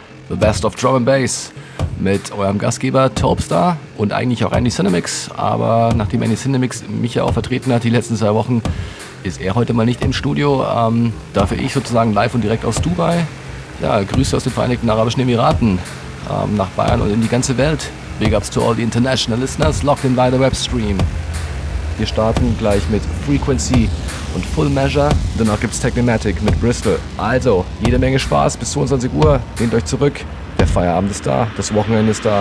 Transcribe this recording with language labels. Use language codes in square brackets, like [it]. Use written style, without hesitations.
[en] The best of drum and bass [de] mit eurem Gastgeber Topstar und eigentlich auch Andy Cinemix, aber nachdem Andy Cinemix mich ja auch vertreten hat die letzten zwei Wochen, ist er heute mal nicht im Studio, dafür ich sozusagen live und direkt aus Dubai. Ja, Grüße aus den Vereinigten Arabischen Emiraten, nach Bayern und in die ganze Welt. [en] Big ups to all the international listeners locked in by the webstream. [de] Wir starten gleich mit Frequency und Full Measure. Danach gibt's Technomatic mit Bristol. Also, jede Menge Spaß bis 22 Uhr. Lehnt euch zurück. Der Feierabend ist da, das Wochenende ist da.